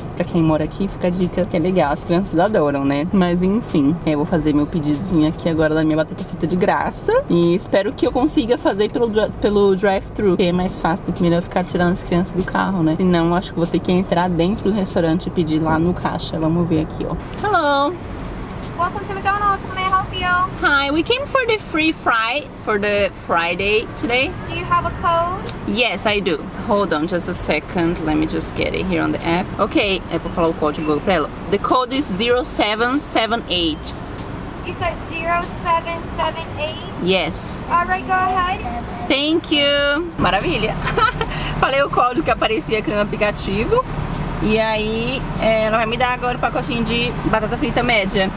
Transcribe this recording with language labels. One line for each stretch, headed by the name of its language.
Portuguese: Pra quem mora aqui, fica a dica que é legal. As crianças adoram, né? Mas enfim, eu vou fazer meu pedidinho aqui agora da minha batata frita de graça, e espero que eu consiga fazer pelo drive-thru, que é mais fácil do que melhor ficar tirando as crianças do carro, né? Se não, acho que vou ter que entrar dentro do restaurante e pedir lá no caixa. Vamos ver aqui, ó.
English: Hello! Welcome to McDonald's. How may I help you? Hi, we came for the free fry for the Friday today. Do you have a code? Yes, I do. Hold on just a second. Let me just get it here on the app.
Portuguese: Okay, eu vou falar o código pra ela.
English: The code is 0778. You said 0778? Yes. Alright, go ahead. Thank you.
Portuguese: Maravilha. Falei o código que aparecia aqui no aplicativo. E aí, ela vai me dar agora o pacotinho de batata frita média.